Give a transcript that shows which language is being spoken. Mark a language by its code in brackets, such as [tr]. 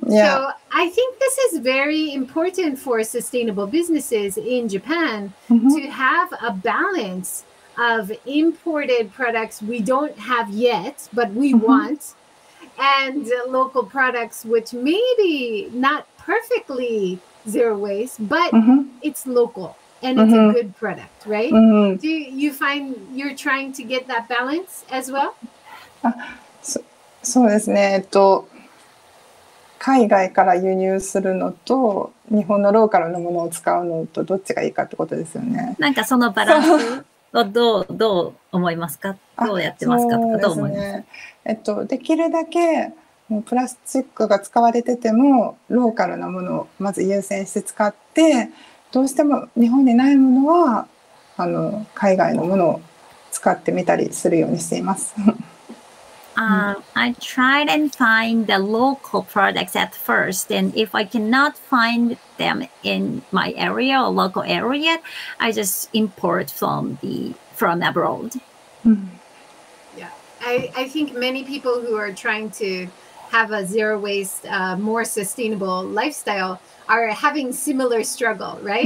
[en] So I think this is very important for sustainable businesses in Japan to have a balance of imported products we don't have yet, but we want, and local products, which maybe not perfectly zero waste, but it's local and it's a good product, right? Do you find you're trying to get that balance as well? [ja] そうですね。海外から輸入するのと日本のローカルのものを使うのとどっちがいいかってことですよね。なんかそのバランス。どう思いますか、どうやってますか、ね、どう思います、できるだけプラスチックが使われててもローカルなものをまず優先して使って、どうしても日本にないものは海外のものを使ってみたりするようにしています。 [en] I tried and find the local products at first, and if I cannot find them in my area or local area, I just import from abroad. Yeah, I think many people who are trying to have a zero waste, more sustainable lifestyle are having similar struggle, right?